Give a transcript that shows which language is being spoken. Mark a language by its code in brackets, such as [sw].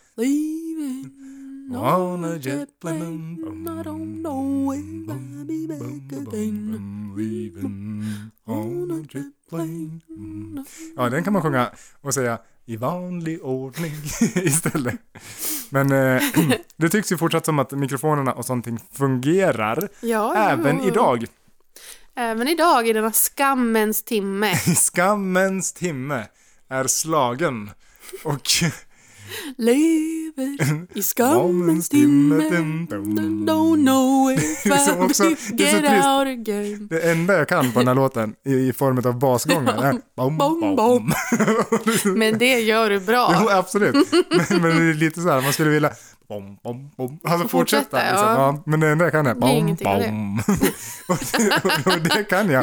[en] Leaving on a jet plane, bum, I don't know if bum, I'll be back bum, bum, again. Bum, leaving on a jet plane. [sv] Ja, den kan man sjunga och säga i vanlig ordning istället. Men det tycks ju fortsatt som att mikrofonerna och sånting fungerar. Ja, även jo. Idag. Även idag i denna skammens timme. Skammens timme är slagen. Och lever i skammens timme. [en] Don't know if I'll också, get out again. [sv] Det enda jag kan på den här låten i form av basgångar är bom, bom, bom. Men det gör du bra. Jo, absolut. Men det är lite så här, man skulle vilja bom, bom, bom. Alltså fortsätta liksom. Ja. Men det enda jag kan är bom, det är bom. Det kan jag.